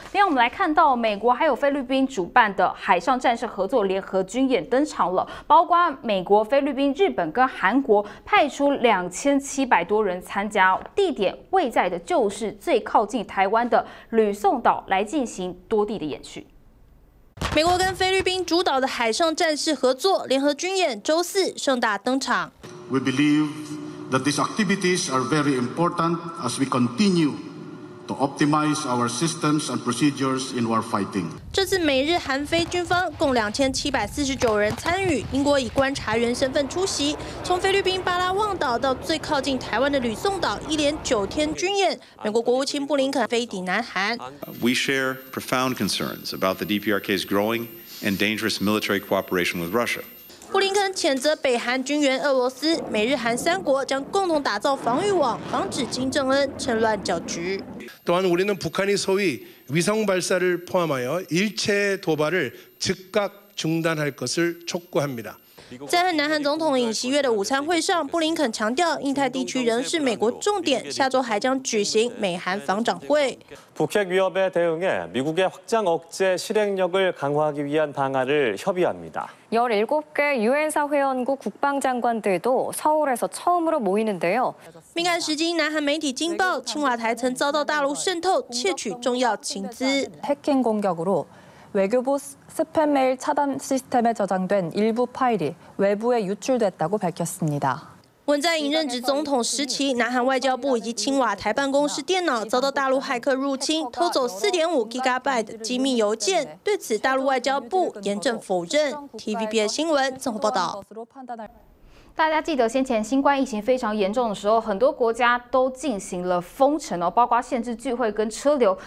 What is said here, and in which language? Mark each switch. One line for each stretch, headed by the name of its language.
Chinese: 另外我们来看到美国还有菲律宾主办的海上战事合作联合军演登场了，包括美国、菲律宾、日本跟韩国派出2700多人参加，地点位在的就是最靠近台湾的吕宋岛，来进行多地的演训。美国跟菲律宾主导的海上战事合作联合军演周四盛大登场。
English: We believe that these activities are very important as we continue to optimize our systems and procedures in war fighting.
Chinese: 这次美日韩非军方共2749人参与，英国以观察员身份出席，从菲律宾巴拉望岛到最靠近台湾的吕宋岛，一连9天军演。美国国务卿布林肯飞抵南韩。
English: We share profound concerns about the DPRK's growing and dangerous military cooperation with Russia.
Chinese: 布林肯谴责北韩军援俄罗斯，美日韩三国将共同打造防御网，防止金正恩趁乱搅局。
Korean: 또한우리는북한이소위위성발사를포함하여일체도발을즉각중단할것을촉구합니다。
Chinese: 在和南韩总统尹锡悦的午餐会上，布林肯强调，印太地区仍是美国重点，下周还将举行美韩防长会。
Korean: 북핵위협에대응해미국의확장억제실행력을강화하기위한방안을협의합니다 17개유엔사회원국국방장관들도서울에서처음으로모이는데요
Chinese: 敏感时机，南韩媒体惊爆，青瓦台曾遭到大陆渗透，窃取重要情资。
Korean: 해킹공격으로외교부스팸메일차단시스템에저장된일부파일이외부에유출됐다고밝혔습니다
Chinese: 文在寅任职总统时期，南韩外交部以及青瓦台办公室电脑遭到大陆骇客入侵，偷走4.5GB 的机密邮件。对此，大陆外交部严正否认。 TVBS 新闻综合报道。大家记得先前新冠疫情非常严重的时候，很多国家都进行了封城哦，包括限制聚会跟车流。